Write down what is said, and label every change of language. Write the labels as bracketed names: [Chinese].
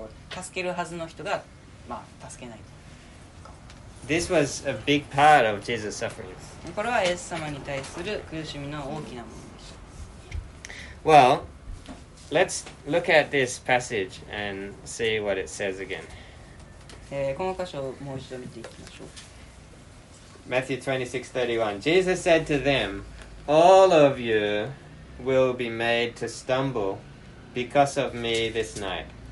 [Japanese] 助けるはずの人が、まあ、助けない。 [English] This was a big part of Jesus' suffering. [Japanese] これはイエス様に対する苦しみの大きなものでした。 [English] Well, let's look at this passage and see what it says again. [Japanese] この箇所をもう一度見ていきましょう。 [English] Matthew 26:31. Jesus said to them, All of you... will be made to stumble because of me this night.